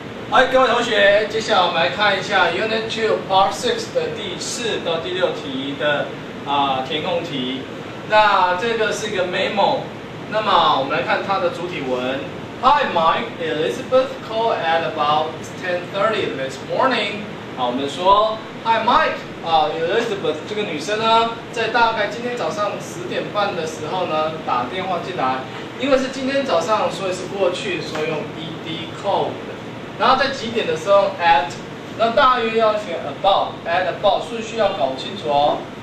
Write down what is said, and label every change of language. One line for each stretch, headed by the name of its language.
Chinese: 哎，各位同学，接下来我们来看一下 Unit 2 Part 6的第四到第六题的填空题。那这个是一个 memo， 那么我们来看它的主体文。
English: Hi Mike, Elizabeth called at about 10:30 this morning。
Chinese: 好，我们说
English: Hi Mike,
Chinese: Elizabeth 这个女生呢，在大概今天早上十点半的时候呢，打电话进来。因为是今天早上，所以是过去，所以用 ED called。然后在几点的时候 at， 那大约要选 about 顺序要搞清楚哦。